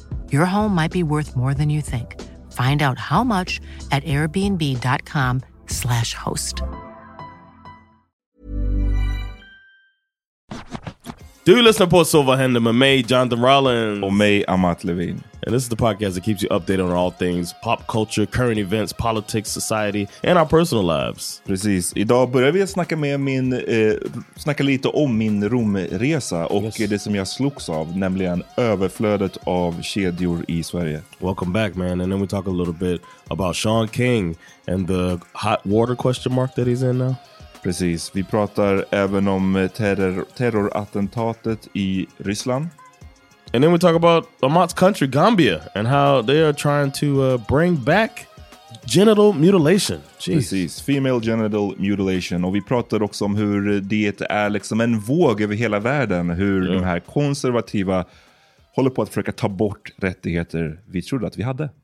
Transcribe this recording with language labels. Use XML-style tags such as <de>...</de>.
<en>Your home might be worth more than you think. Find out how much at airbnb.com/host. Do you listen to Port Silver Hendon with me, Jonathan Rollins? Or me, Amat Levine. And this is the podcast that keeps you updated on all things pop culture, current events, politics, society, and our personal lives.</en> <sv>Precis. Idag börjar vi snacka med min snacka lite om min Romresa och yes, det som jag slogs av, nämligen överflödet av kedjor i Sverige.</sv> <en>Welcome back, man. And then we talk a little bit about Sean King and the hot water question mark that he's in now.</en> <sv>Precis. Vi pratar även om terrorattentatet i Ryssland.</sv> <en>And then we talk about Amat's country, Gambia, and how they are trying to bring back genital mutilation. Jeez. Precis, female genital mutilation.</en> <sv>Och vi pratar också om hur det är liksom en våg över hela världen. Hur yeah, de här konservativa håller på att försöka ta bort rättigheter vi trodde att vi hade.</sv>